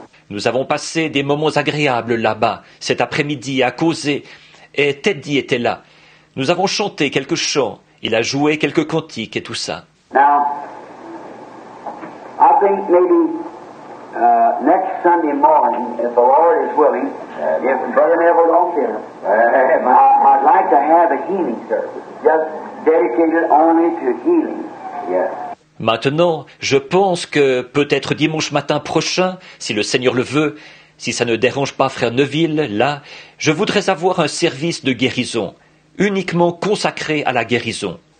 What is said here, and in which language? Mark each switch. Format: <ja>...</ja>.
<fr>Nous avons passé des moments agréables là-bas, cet après-midi, à causer. Et Teddy était là. Nous avons chanté quelques chants, il a joué quelques cantiques et tout ça.</fr> <en>Now, I think maybe next Sunday morning, if the Lord is willing, if Brother Neville don't care, I'd like to have a healing service, just dedicated only to healing. Yes.</en> <fr>Maintenant, je pense que peut-être dimanche matin prochain, si le Seigneur le veut, si ça ne dérange pas Frère Neville, là, je voudrais avoir un service de guérison, uniquement consacré à la guérison.</fr>